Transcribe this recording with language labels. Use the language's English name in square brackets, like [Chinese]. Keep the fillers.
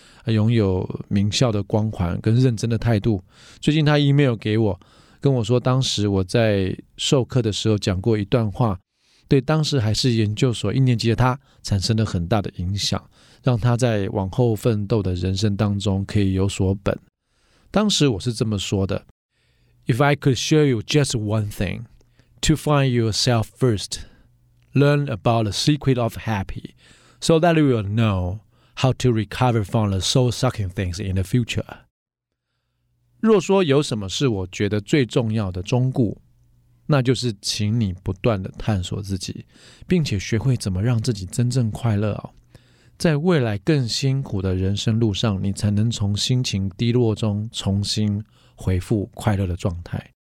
[Chinese] 拥有名校的光环跟认真的态度。最近他 email 给我，跟我说当时我在授课的时候讲过一段话，对当时还是研究所一年级的他产生了很大的影响，让他在往后奋斗的人生当中可以有所本。当时我是这么说的： [English] If I could show you just one thing, to find yourself first, learn about the secret of happy, so that you will know. How to recover from the soul sucking things in the future？ [Chinese] 若说有什么是我觉得最重要的忠固，那就是，请你不断的探索自己，并且学会怎么让自己真正快乐哦。在未来更辛苦的人生路上，你才能从心情低落中重新恢复快乐的状态。